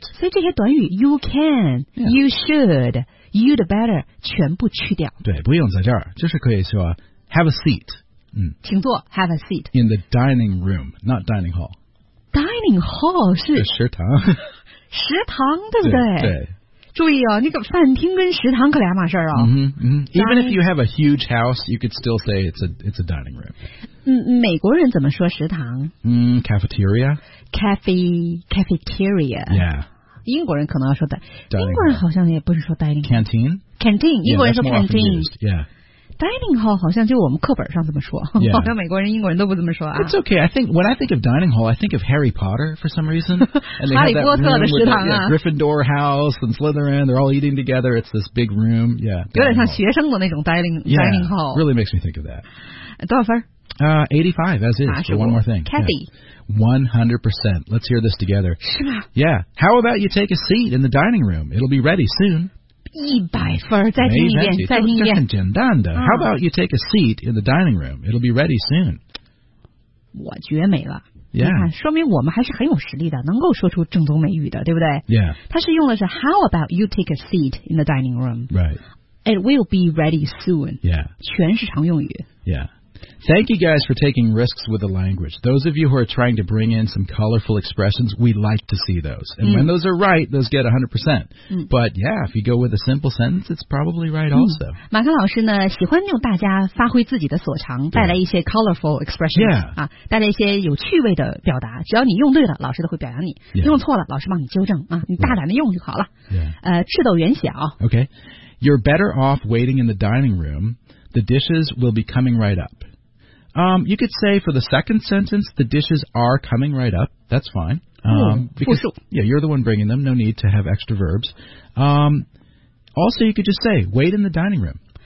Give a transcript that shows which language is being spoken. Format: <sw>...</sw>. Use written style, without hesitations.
<zh>所以这些短语 ，</zh> <en>you can,、yeah. you should, you'd better，</en> <zh>全部去掉。对，不用在这儿，就是可以说</zh> <en>have a seat，</en> <zh>请坐</zh> <en>，have a seat in the dining room， not dining hall。 Dining hall 是</en> <zh>食堂，食堂对不对？对。对注意哦，那个饭厅跟食堂可两码事儿哦。 Mm-hmm, mm-hmm.</zh> <en>Even if you have a huge house, you could still say it's a dining room.</en> <zh>美国人怎么说食堂？</zh> <en>Cafeteria. Cafeteria. Yeah.</en> <zh>英国人可能要说的。英国人好像也不是说 dining</zh> <en>canteen.</en> <zh>Canteen. 英国人说 canteen.</zh> <en>Yeah.</en> <zh>dining hall 好像就我们课本上这么说、</zh> <en>yeah.</en> <zh>好像美国人英国人都不这么说啊</zh> <en>It's okay, I think, when I think of dining hall I think of Harry Potter for some reason</en> <zh>哈利波特的食堂啊</zh> <en>yeah, Gryffindor house and Slytherin, they're all eating together It's this big room, yeah</en> <zh>有点像学生的那种 dining hall</zh> <en>yeah, really makes me think of that</en> <zh>多少分</zh> <en>85, as is, for one more thing. Kathy.、 Yeah. 100%. Let's hear this together.</en> <zh>是吗?</zh> <en>Yeah. How about you take a seat in the dining room? It'll be ready soon.</en> <zh>100分, 再听一遍, 再听一遍。这很简单的。</zh> <en>How about you take a seat in the dining room? It'll be ready soon.</en> <zh>我绝美了。</zh> <en>Yeah.</en> <zh>你看，说明我们还是很有实力的，能够说出正宗美语的，对不对?</zh> <en>Yeah.</en> <zh>它是用的是</zh> <en>How about you take a seat in the dining room? Right. It will be ready soon. Yeah.</en> <zh>全是常用语。</zh> <en>Yeah. Thank you guys for taking risks with the language. Those of you who are trying to bring in some colorful expressions, we like to see those. And、 when those are right, those get 100%.、嗯、 But yeah, if you go with a simple sentence, it's probably right also.、</en> <zh>嗯、马康老师呢，喜欢用大家发挥自己的所长，带来一些</zh> <en>colorful expressions、 yeah.</en> <zh>啊，带来一些有趣味的表达。只要你用对了，老师都会表扬你；</zh> <en>yeah.</en> <zh>用错了，老师帮你纠正啊。你大胆的用就好了。</zh> <en>Yeah. 赤豆圆小。 Okay, you're better off waiting in the dining room. The dishes will be coming right up. You could say for the second sentence, the dishes are coming right up. That's fine. Because, yeah, you're the one bringing them. No need to have extra verbs. Also, you could just say, wait in the dining room.</en>